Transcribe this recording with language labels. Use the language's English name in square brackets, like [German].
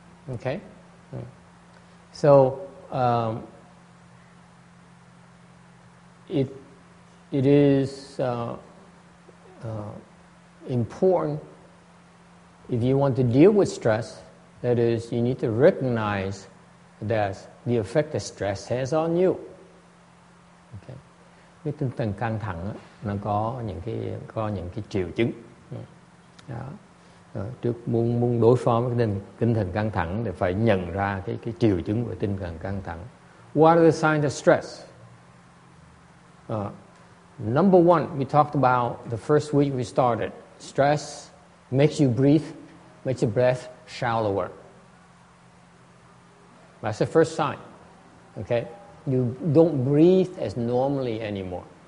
[English] Okay? So, it is important if you want to deal with stress, that is, you need to recognize that the effect that stress has on you. Okay? [Vietnamese] Cái tinh thần căng thẳng nó có những cái triệu chứng. Đó. Trước muốn đối phó với tinh thần căng thẳng thì phải nhận ra cái triệu chứng của tinh thần căng thẳng. [English] What are the signs of stress? Number one, we talked about the first week we started. Stress makes you breathe, makes your breath shallower. That's the first sign. Okay? You don't breathe as normally anymore.